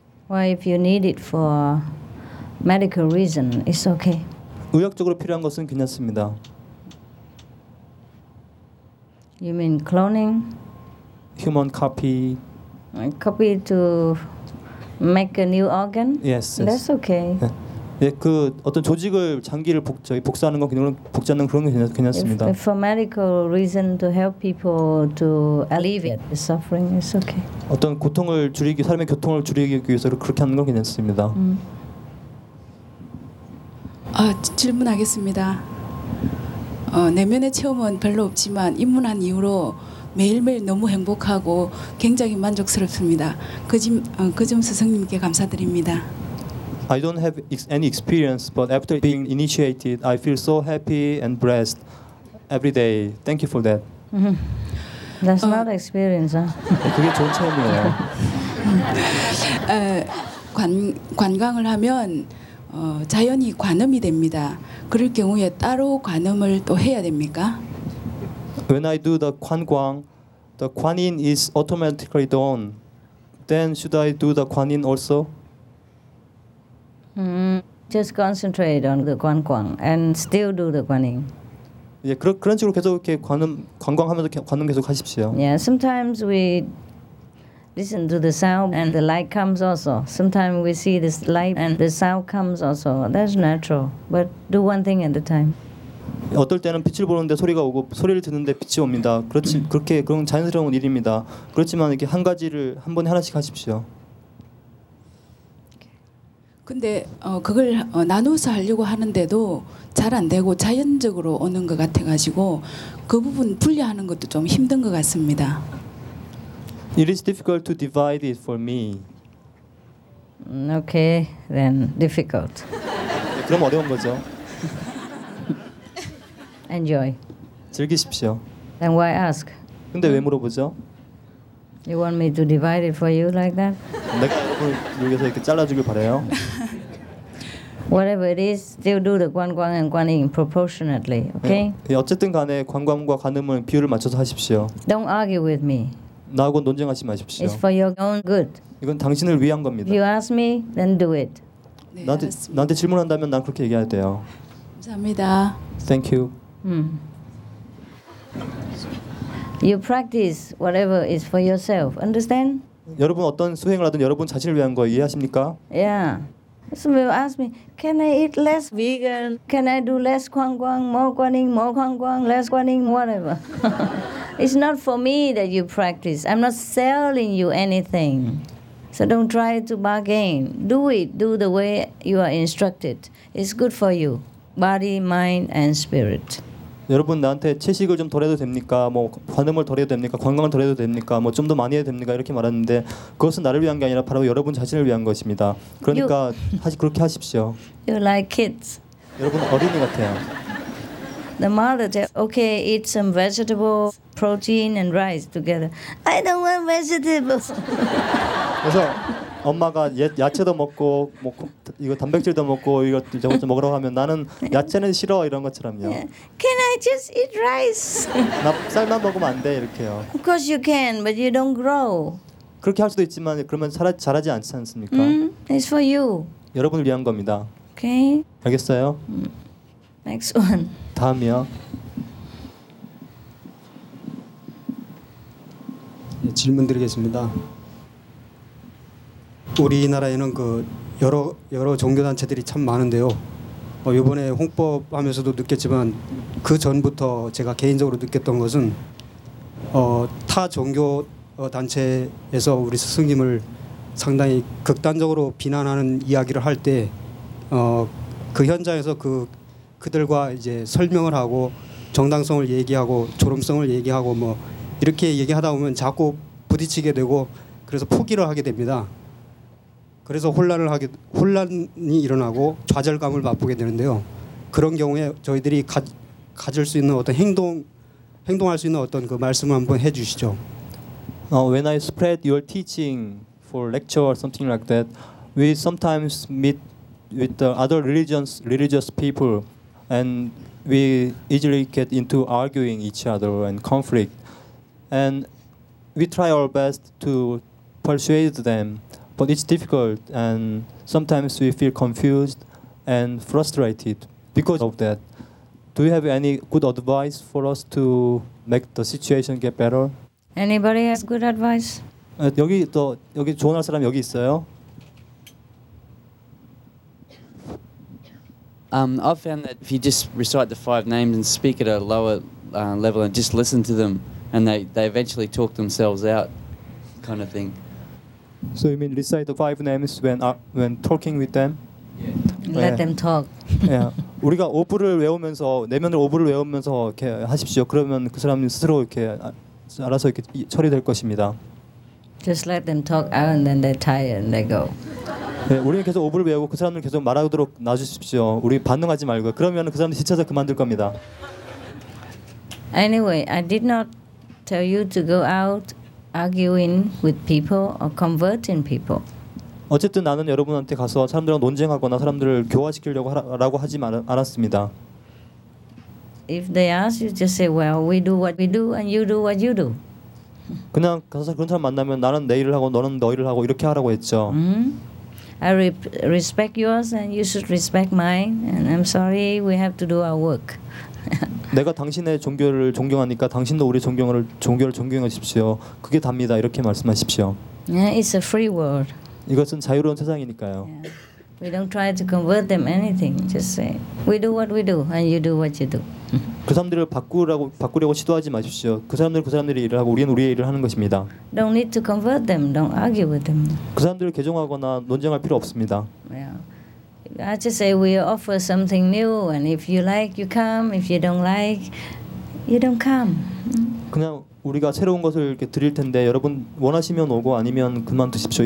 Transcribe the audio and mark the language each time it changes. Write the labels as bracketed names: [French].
[English] Well, if you need it for medical reason, it's okay. [Korean] 의학적으로 필요한 것은 괜찮습니다. [English] You mean cloning? Human copy. Copy to make a new organ? Yes. That's okay. [Korean] 예, 그 어떤 조직을 장기를 복사하는 건 복제하는 그런 게 괜찮습니다. [English] If for medical reason to help people to alleviate the suffering, it's okay. [Korean] 어떤 고통을 줄이기 사람의 교통을 줄이기 위해서 그렇게 하는 건 괜찮습니다. 질문하겠습니다. 내면의 체험은 별로 없지만 입문한 이후로 매일매일 너무 행복하고 굉장히 만족스럽습니다. 그 점 스승님께 감사드립니다. [English] I don't have any experience, but after being initiated, I feel so happy and blessed every day. Thank you for that. That's not experience, huh? [Korean] 그게 좋은 체험이에요. 관광을 하면 자연이 관음이 됩니다. 그럴 경우에 따로 관음을 또 해야 됩니까? [English] When I do the 관광, the 관인 is automatically done. Then should I do the 관인 also? Just concentrate on the 관광 and still do the 관인. [Korean] 예, 그런 식으로 계속 이렇게 관광하면서 관음 계속 하십시오. [English] Yeah, sometimes we listen to the sound and the light comes also. Sometimes we see this light and the sound comes also. That's natural. But do one thing at a time. [Korean] 어떨 때는 빛을 보는데 소리가 오고 소리를 듣는데 빛이 옵니다. 그렇지 그렇게 그런 자연스러운 일입니다. 그렇지만 이렇게 한 가지를 한 번에 하나씩 하십시오. 근데 그걸 나누어서 하려고 하는데도 잘 안 되고 자연적으로 오는 것 같아 가지고 그 부분 분리하는 것도 좀 힘든 것 같습니다. [English] It is difficult to divide it for me. Okay, then difficult. [Korean] 그럼 어려운 거죠. [English] Enjoy. [Korean] 즐기십시오. [English] Then why ask? [Korean] 근데 왜 물어보죠? [English] You want me to divide it for you like that? [Korean] 내가 그걸 여기서 이렇게 잘라주길 바래요. [English] Whatever it is, still do the 관광 and 관인 proportionately, okay? [Korean] 예, 어쨌든 간에 관광과 관음은 비율을 맞춰서 하십시오. [English] Don't argue with me. [Korean] 나하고 논쟁하지 마십시오. [English] It's for your own good. [Korean] 이건 당신을 위한 겁니다. [English] If you ask me, then do it. [Korean] 나한테 질문한다면 난 그렇게 얘기해야 돼요. 감사합니다. [English] Thank you. You practice whatever is for yourself. Understand? [Korean] 여러분 어떤 수행을 하든 여러분 자신을 위한 거 이해하십니까? [English] Yeah. Some people ask me, can I eat less vegan? Can I do less guangguang, more guaning, more guangguang, less guaning, whatever. It's not for me that you practice. I'm not selling you anything. So don't try to bargain. Do it. Do the way you are instructed. It's good for you. Body, mind, and spirit. [Korean] 여러분 나한테 채식을 좀 덜해도 됩니까? 뭐 관음을 덜해도 됩니까? 관광을 덜해도 됩니까? 뭐 좀 더 많이 해도 됩니까? 이렇게 말하는데 그것은 나를 위한 게 아니라 바로 여러분 자신을 위한 것입니다. 그러니까 그렇게 하십시오. [English] You like kids. [Korean] 여러분 어린이 같아요. [English] The mother said, okay, eat some vegetable, protein, and rice together. I don't want vegetables. [Korean] 그래서 엄마가 야채도 먹고 뭐 이거 단백질도 먹고 이거 저거 좀 먹으라고 하면 나는 야채는 싫어 이런 것처럼요. [English] Can I just eat rice? [Korean] 나 쌀만 먹으면 안 돼 이렇게요. [English] Of course you can, but you don't grow. [Korean] 그렇게 할 수도 있지만 그러면 자라지 않지 않습니까? [English] It's for you. [Korean] 여러분을 위한 겁니다. [English] Okay. [Korean] 알겠어요. [English] Next one. [Korean] 다음이요. 네, 질문 드리겠습니다. 우리나라에는 그 여러 종교 단체들이 참 많은데요. 뭐 이번에 홍법 하면서도 느꼈지만 그 전부터 제가 개인적으로 느꼈던 것은 타 종교 단체에서 우리 스승님을 상당히 극단적으로 비난하는 이야기를 할 때 그 현장에서 그들과 이제 설명을 하고 정당성을 얘기하고 졸음성을 얘기하고 뭐 이렇게 얘기하다 보면 자꾸 부딪히게 되고 그래서 포기를 하게 됩니다. 그래서 혼란이 일어나고 좌절감을 맛보게 되는데요. 그런 경우에 저희들이 가질 수 있는 어떤 행동할 수 있는 어떤 그 말씀을 한번 해 주시죠. [English] When I spread your teaching for lecture or something like that, we sometimes meet with the other religious people and we easily get into arguing each other and conflict. And we try our best to persuade them. But it's difficult, and sometimes we feel confused and frustrated because of that. Do you have any good advice for us to make the situation get better? Anybody has good advice? [Korean] 여기 조언할 사람 여기 있어요? [English] I've found that if you just recite the five names and speak at a lower level and just listen to them, and they eventually talk themselves out, kind of thing. So you mean recite the five names when talking with them? Yeah. Let them talk. Yeah. [Korean] 우리가 오브를 외우면서 내면을 오브를 외우면서 이렇게 하십시오. 그러면 그 사람이 스스로 이렇게 알아서 이렇게 처리될 것입니다. [English] Just let them talk out and then they're tired and they go. [Korean] 네, 우리는 계속 오브를 외우고 그 사람을 계속 말하도록 놔주십시오. 우리 반응하지 말고 그러면 그 사람이 지쳐서 그만둘 겁니다. [English] Anyway, I did not tell you to go out. Arguing with people or converting people. [Korean] 어쨌든 나는 여러분한테 가서 사람들과 논쟁하거나 사람들을 교화시키려고 하라고 하지 않았습니다. [English] If they ask you, just say, "Well, we do what we do, and you do what you do." [Korean] 그냥 가서 그런 사람 만나면 나는 내 일을 하고 너는 너 일을 하고 이렇게 하라고 했죠. [English] I respect yours, and you should respect mine. And I'm sorry, we have to do our work. [Korean] 내가 당신의 종교를 존경하니까 당신도 우리 종교를 존경하십시오. 그게 답니다. 이렇게 말씀하십시오. [English] Yeah, it's a free world. [Korean] 이것은 자유로운 세상이니까요. [English] Yeah. We don't try to convert them anything. Just say we do what we do and you do what you do. [Korean] 그 사람들을 바꾸려고 시도하지 마십시오. 그 사람들은 그 사람들의 일을 하고 우리는 우리의 일을 하는 것입니다. [English] Don't need to convert them. Don't argue with them. [Korean] 그 사람들을 개종하거나 논쟁할 필요 없습니다. [English] Yeah. I just say we offer something new, and if you like, you come. If you don't like, you don't come. [Korean] 그냥 우리가 새로운 것을 이렇게 드릴 텐데 여러분 원하시면 오고 아니면 그만두십시오.